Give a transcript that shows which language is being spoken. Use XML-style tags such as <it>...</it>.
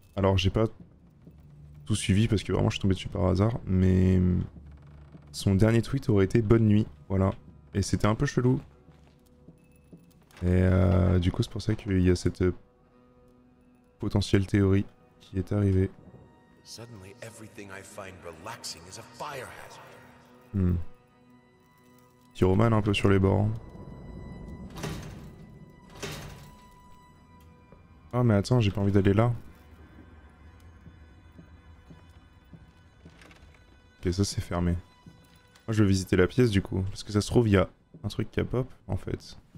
<fr>Alors, j'ai pas tout suivi parce que vraiment, je suis tombé dessus par hasard, mais... Son dernier tweet aurait été « Bonne nuit », voilà. Et c'était un peu chelou. Et du coup, c'est pour ça qu'il y a cette potentielle théorie qui est arrivée.</fr> <en>Suddenly, everything I find relaxing is a fire hazard.</en> <fr>Pyromane un peu sur les bords. Oh, mais attends, j'ai pas envie d'aller là. Ok, ça c'est fermé. Moi, je veux visiter la pièce du coup. Parce que ça se trouve, il y a un truc qui a pop en fait.</fr>